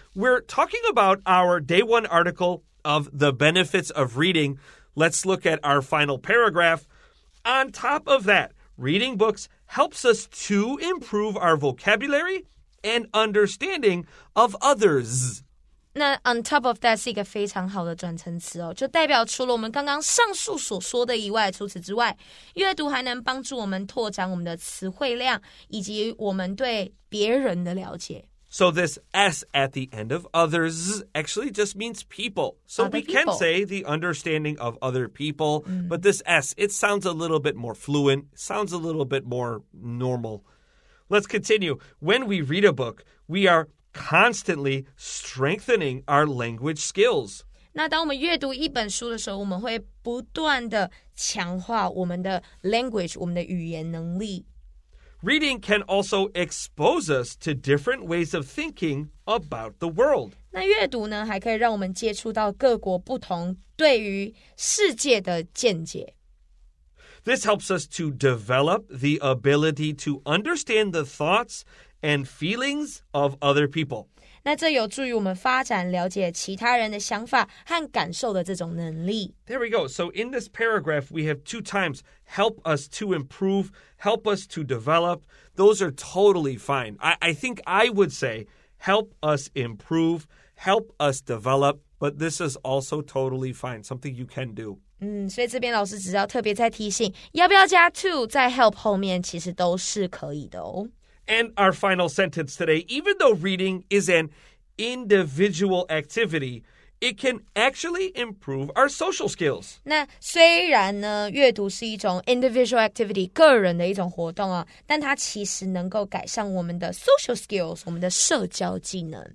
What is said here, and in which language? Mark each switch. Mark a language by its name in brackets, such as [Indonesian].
[English] We're talking about our day one article of The Benefits of Reading. Let's look at our final paragraph. On top of that, reading books helps us to improve our vocabulary and understanding of others. [Chinese] 那 [English] on top of that [Chinese] 是一个非常好的转成词哦，就代表除了我们刚刚上述所说的以外，除此之外，阅读还能帮助我们拓展我们的词汇量以及我们对别人的了解。 [English] So this S at the end of others actually just means people. So other we people. Can say the understanding of other people,but this S, it sounds a little bit more fluent, sounds a little bit more normal. Let's continue. When we read a book, we areconstantly strengthening our language skills. [Chinese] 那当我们阅读一本书的时候，我们会不断的强化我们的 language, 我们的语言能力。 [English] Reading can also expose us to different ways of thinking about the world. [Chinese] 那阅读呢，还可以让我们接触到各国不同对于世界的见解。 [English] This helps us to develop the ability to understand the thoughts and feelings of other people. [Chinese] 那这有助于我们发展了解其他人的想法和感受的这种能力。 [English] There we go. So in this paragraph, we have two times, help us to improve, help us to develop. Those are totally fine. I think I would say, help us improve, help us develop, but this is also totally fine, something you can do. [Chinese] 所以这边老师只要特别再提醒，要不要加 to 在 help 后面其实都是可以的哦。 [English] And our final sentence today, even though reading is an individual activity, it can actually improve our social skills. [Chinese] 那虽然呢，阅读是一种 [English] individual activity, [Chinese] 个人的一种活动啊，但它其实能够改善我们的 [English] social skills, [Chinese] 我们的社交技能。